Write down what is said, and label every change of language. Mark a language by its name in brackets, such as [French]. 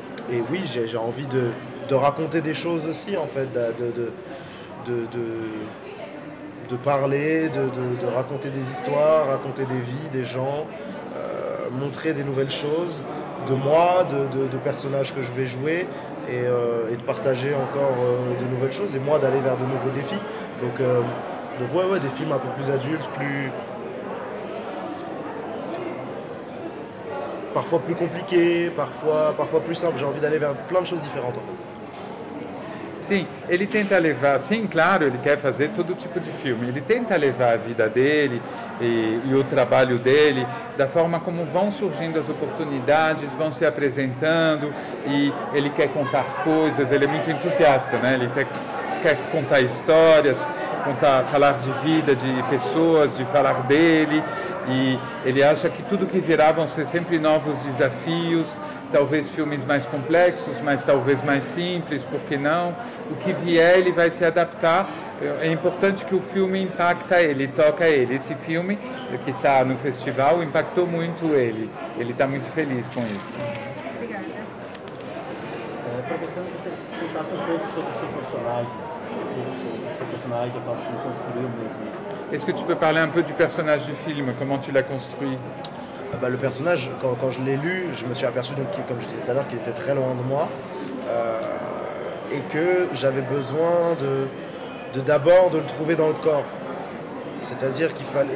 [French] Et oui, j'ai envie de raconter des choses aussi, en fait, de parler, de raconter des histoires, raconter des vies, des gens, montrer des nouvelles choses de moi, de personnages que je vais jouer et de partager encore de nouvelles choses et moi d'aller vers de nouveaux défis. Donc des films un peu plus adultes, plus... parfois plus compliqué, parfois plus simple. J'ai envie d'aller vers plein de choses différentes. [Portuguese] Sim, ele tenta levar, sim, claro, ele quer fazer todo tipo de filme. Ele tenta levar a vida dele e o trabalho dele da forma como vão surgindo as oportunidades, vão se apresentando, e ele quer contar coisas, ele é muito entusiasta, né? Ele quer contar histórias, falar de vida, de pessoas, de falar dele, e ele acha que tudo que virá vão ser sempre novos desafios, talvez filmes mais complexos, mas talvez mais simples, por que não? O que vier, ele vai se adaptar. É importante que o filme impacta ele, toca ele. Esse filme que está no festival impactou muito ele. Ele está muito feliz com isso. Obrigada. Aproveitando que você contasse um pouco sobre o seu personagem, a parte que você construiu mesmo. [French] Est-ce que tu peux parler un peu du personnage du film? Comment tu l'as construit? Le personnage, quand je l'ai lu, je me suis aperçu, donc, comme je disais tout à l'heure, qu'il était très loin de moi et que j'avais besoin de d'abord de le trouver dans le corps. C'est-à-dire qu'il fallait.